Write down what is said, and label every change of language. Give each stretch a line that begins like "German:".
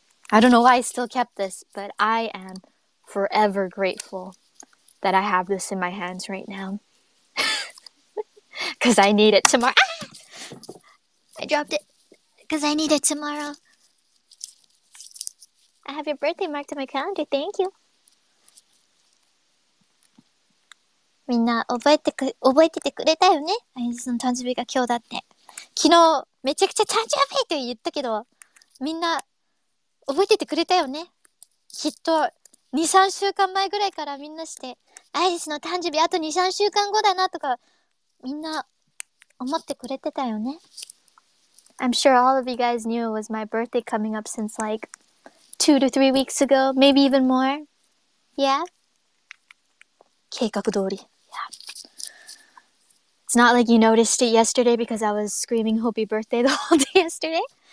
English: I don't know why I still kept this, but I am forever grateful that I have this in my hands right now. Because I need it tomorrow. I dropped it because I need it tomorrow. I have your birthday marked on my calendar. Thank you.
Japanese: みんな覚えててくれたよね。アイリスの誕生日が今日だって。昨日めちゃくちゃ誕生日と言ったけど、みんな覚えててくれたよね。きっと2、3週間前ぐらいからみんなして、アイリスの誕生日あと2、3週間後だなとか、みんな思ってくれてたよね。
English: I'm sure all of you guys knew it was my birthday coming up since like 2 to 3 weeks ago, maybe even more. Yeah.
Japanese: 計画通り。
English: Yeah. It's not like you noticed it yesterday because I was screaming happy birthday the whole day yesterday.